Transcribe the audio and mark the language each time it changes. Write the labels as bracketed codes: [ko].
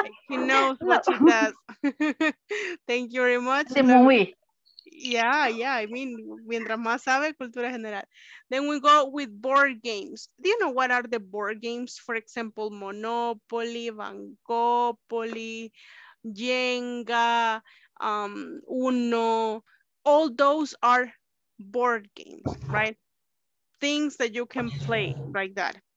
[en] She knows what she does. Thank you very much. The movie. Yeah, I mean, [es] mientras más sabe, cultura general. [en] Then we go with board games. Do you know what are the board games? For example, Monopoly, Bancopoly, Jenga, Uno. All those are board games, right? Things that you can play like that.